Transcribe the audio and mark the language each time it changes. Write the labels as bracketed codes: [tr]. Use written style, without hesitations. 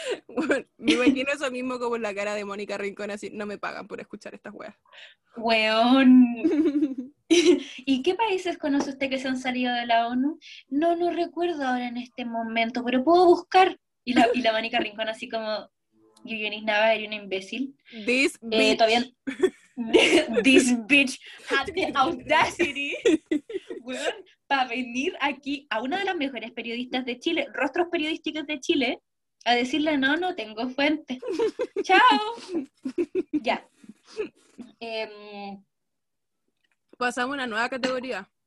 [es] Bueno, me imagino eso mismo como en la cara de Mónica Rincón, así, no me pagan por escuchar estas weas. Weón. ¿Y qué países conoce usted que se han salido de la ONU? No recuerdo ahora en este momento, pero puedo buscar. Y la Mónica Rincón así como, Yuyunis Nava era una imbécil. [en] This bitch. [es] Todavía... [en] This bitch had the audacity. [es] Weón. Para venir aquí a una de las mejores periodistas de Chile, rostros periodísticos de Chile, a decirle, no tengo fuente. ¡Chao! Ya. Pasamos a una nueva categoría.